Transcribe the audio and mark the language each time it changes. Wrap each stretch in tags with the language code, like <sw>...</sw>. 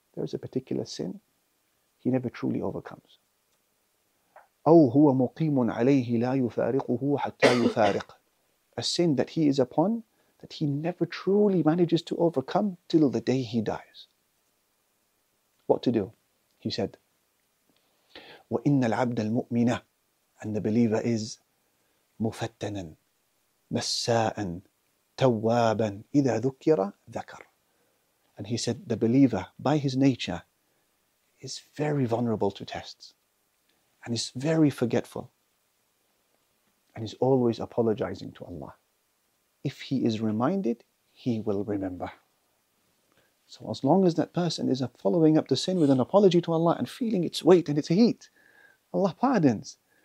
<en>There is a particular sin he never truly overcomes.</en> <ar>"Aw huwa muqimun alayhi la yufariquhu hatta yufariq,"</ar> <en>a sin that he is upon, that he never truly manages to overcome till the day he dies. What to do? He said,</en> <ar>وَإِنَّ الْعَبْدَ الْمُؤْمِنَ,</ar> <en>and the believer is,</en> <ar>مُفَتَّنًا مَسَّاءً تَوَّابًا إِذَا ذُكِّرَ ذَكَرَ.</ar> <en>And he said, the believer, by his nature, is very vulnerable to tests, and is very forgetful, and is always apologizing to Allah. If he is reminded, he will remember. So as long as that person is following up the sin with an apology to Allah and feeling its weight and its heat, Allah pardons.</en>